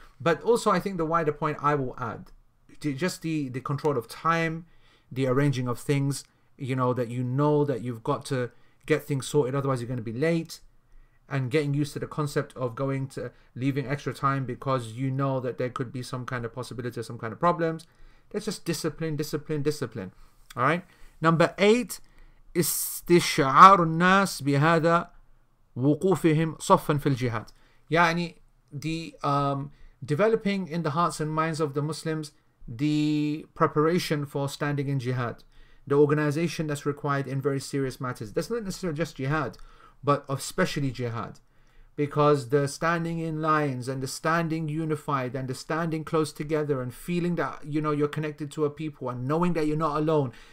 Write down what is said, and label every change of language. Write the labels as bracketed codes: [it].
[en] But also, I think the wider point I will add, just the control of time, the arranging of things, you know that you've got to get things sorted, otherwise you're going to be late, and getting used to the concept of going to leaving extra time because you know that there could be some kind of possibility or some kind of problems. That's just discipline. All right. Number eight, [ar] استشعار الناس بهذا وقوفهم صفا في الجهاد. [en] يعني the developing in the hearts and minds of the Muslims the preparation for standing in jihad, the organization that's required in very serious matters. That's not necessarily just jihad, but especially jihad, because the standing in lines and the standing unified and the standing close together and feeling that you're connected to a people and knowing that you're not alone.